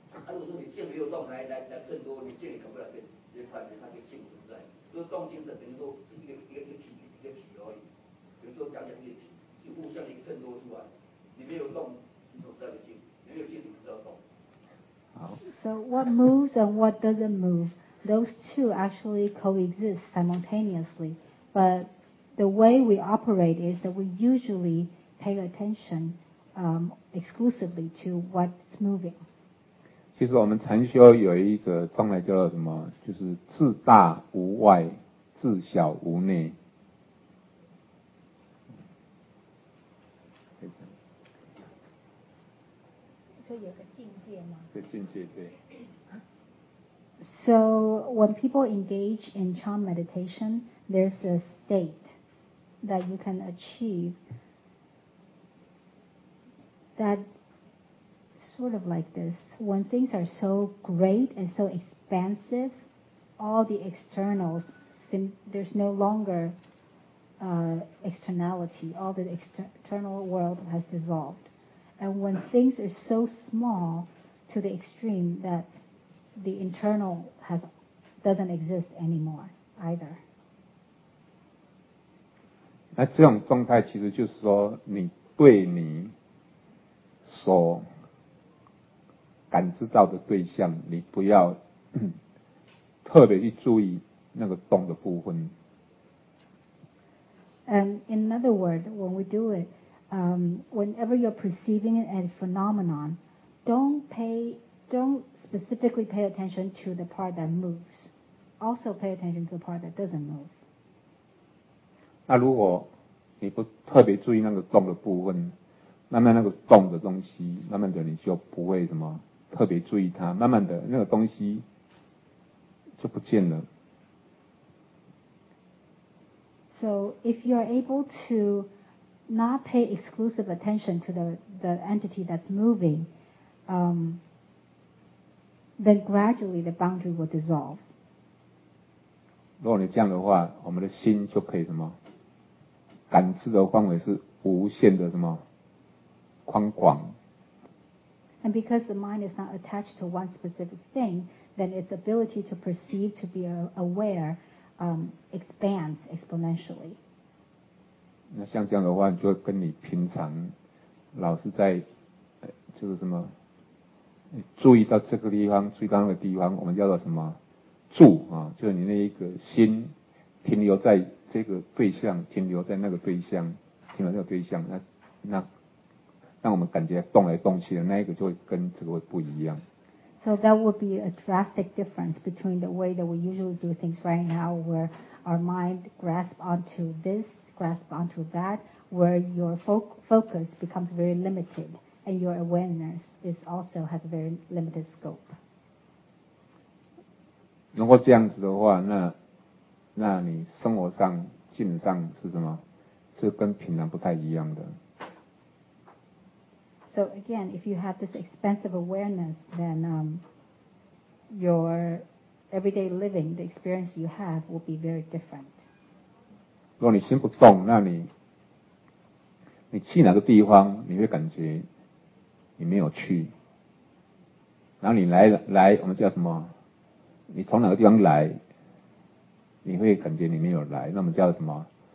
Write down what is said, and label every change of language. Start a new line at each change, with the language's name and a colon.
Chinese: 如果说你静没有动，来振动，你静也可不了，就它就静存在。就是动静是等于说是一个体而已。比如说讲讲一个体，就互相一个振动出来。你没有动，你怎么知道有静？没有静，怎么知道动？好。
English: So what moves and what doesn't move? Those two actually coexist simultaneously, but the way we operate is that we usually pay attention exclusively to what's moving.
Chinese: 其实我们禅修有一则状态叫做什么？就是自大无外，自小无内。所以有个境界吗？对，境界，对。
English: So when people engage in chan meditation, there's a state that you can achieve that sort of like this. When things are so great and so expansive, all the externals, there's no longer externality. All the external world has dissolved. And when things are so small to the extreme that the internal doesn't exist anymore either.
Chinese: 那这种状态其实就是说，你对你所感知到的对象，你不要特别去注意那个动的部分。
English: And in other words, when we do it, whenever you're perceiving a phenomenon, don't specifically pay attention to the part that moves. Also pay attention to the part that doesn't move.
Chinese: 那如果你不特别注意那个动的部分，慢慢那个动的东西，慢慢的你就不会什么特别注意它，慢慢的那个东西就不见了。
English: So if you are able to not pay exclusive attention to the entity that's moving, then gradually the boundary will dissolve.
Chinese: 如果你这样的话，我们的心就可以什么？感知的范围是无限的什么宽广。
English: And because the mind is not attached to one specific thing, then its ability to perceive, to be aware, expands exponentially.
Chinese: 那像这样的话，你就会跟你平常老是在就是什么注意到这个地方，注意到那个地方，我们叫做什么住啊？就是你那一个心停留在这个对象，停留在那个对象，停留在那个对象，那让我们感觉动来动去的那一个就会跟这个会不一样。
English: So that would be a drastic difference between the way that we usually do things right now, where our mind grasp onto this, grasp onto that, where your focus becomes very limited, and your awareness is also has a very limited scope.
Chinese: 如果这样子的话，那你生活上基本上是什么？是跟平常不太一样的。
English: So again, if you have this expansive awareness, then your everyday living, the experience you have, will be very different.
Chinese: 如果你心不动，那你去哪个地方，你会感觉你没有去。然后你来，我们叫什么？你从哪个地方来，你会感觉你没有来，那我们叫什么？